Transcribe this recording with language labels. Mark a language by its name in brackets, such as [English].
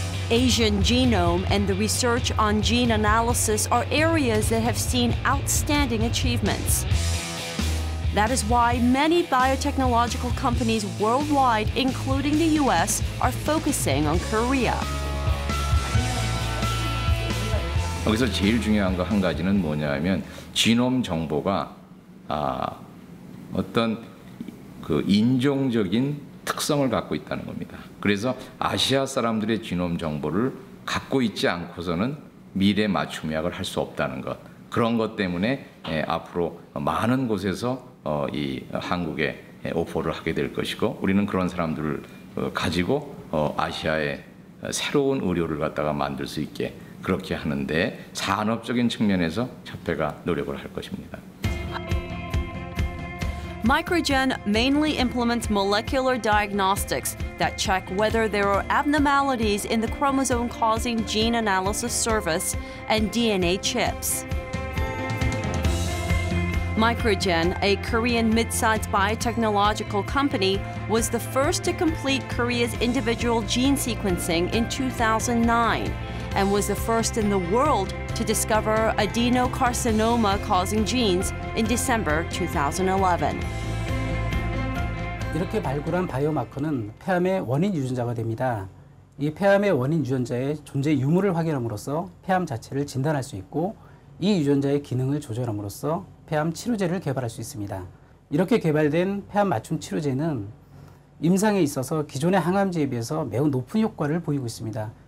[English] Asian genome and the research on gene analysis are areas that have seen outstanding achievements. That is why many biotechnological companies worldwide, including the U.S., are focusing on Korea. [Korean] 여기서 제일 중요한 거 한 가지는 뭐냐면 지놈 정보가 어떤 그 인종적인 특성을 갖고 있다는 겁니다. 그래서 아시아 사람들의 지놈 정보를 갖고 있지 않고서는 미래 맞춤약을 할 수 없다는 것. 그런 것 때문에 앞으로 많은 곳에서 이 한국에 오퍼를 하게 될 것이고 우리는 그런 사람들을 가지고 아시아의 새로운 의료를 갖다가 만들 수 있게 그렇게 하는데 산업적인 측면에서 협회가 노력을 할 것입니다. [English] Microgen mainly implements molecular diagnostics that check whether there are abnormalities in the chromosome causing gene analysis service and DNA chips. Microgen, a Korean mid-sized biotechnological company, was the first to complete Korea's individual gene sequencing in 2009 and was the first in the world to discover adenocarcinoma-causing genes in December 2011. [Korean] 이렇게 발굴한 바이오마커는 폐암의 원인 유전자가 됩니다. 이 폐암의 원인 유전자의 존재 유무를 확인함으로써 폐암 자체를 진단할 수 있고 이 유전자의 기능을 조절함으로써 폐암 치료제를 개발할 수 있습니다. 이렇게 개발된 폐암 맞춤 치료제는 임상에 있어서 기존의 항암제에 비해서 매우 높은 효과를 보이고 있습니다.